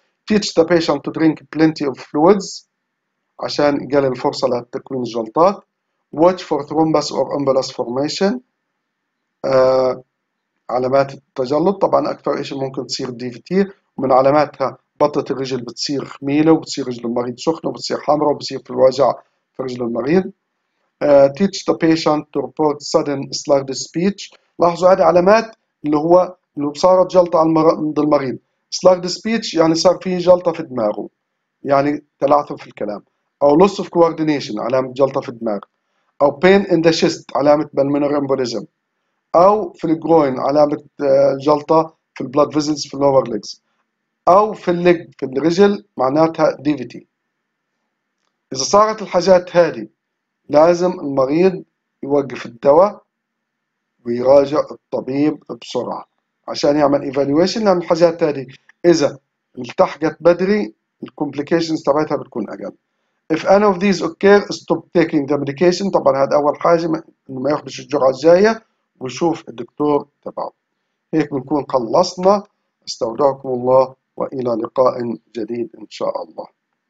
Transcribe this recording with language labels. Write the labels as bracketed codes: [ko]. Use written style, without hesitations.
[en] teach the patient to drink plenty of fluids [ar] عشان يقلل الفرصة لتكوين الجلطات. [en] watch for thrombus or embolus formation [ar] علامات التجلط. طبعا اكثر شيء ممكن تصير دي في تي، ومن علاماتها بطة الرجل بتصير خميلة وبتصير رجل المريض سخنة وبتصير حمراء وبتصير في الوجع في رجل المريض. [en] teach the patient to report sudden slurred speech. [ar] لاحظوا هذه علامات اللي هو انه صارت جلطة عند المريض. [en] slurred speech [ar] يعني صار فيه جلطة في دماغه، يعني تلعثم في الكلام. او [en] loss of coordination [ar] علامة جلطة في الدماغ. [en] او pain in the chest علامة pulmonary embolism. [ar] او في الجروين علامة جلطة في [en] blood vessels [ar] في [en] lower legs. [ar] او في الليج في الرجل معناتها ديفيتي. اذا صارت الحاجات هذه لازم المريض يوقف الدواء ويراجع الطبيب بسرعة عشان يعمل ايفالويشن، لان الحاجات هذه اذا التحقت بدري الكومبليكيشنز تبعتها بتكون اقل. [en] If any of these occur stop taking the medication. [ar] طبعا هذا اول حاجة انه ما ياخذش الجرعة الجاية ويشوف الدكتور تبعه. هيك بنكون خلصنا، استودعكم الله وإلى لقاء جديد إن شاء الله.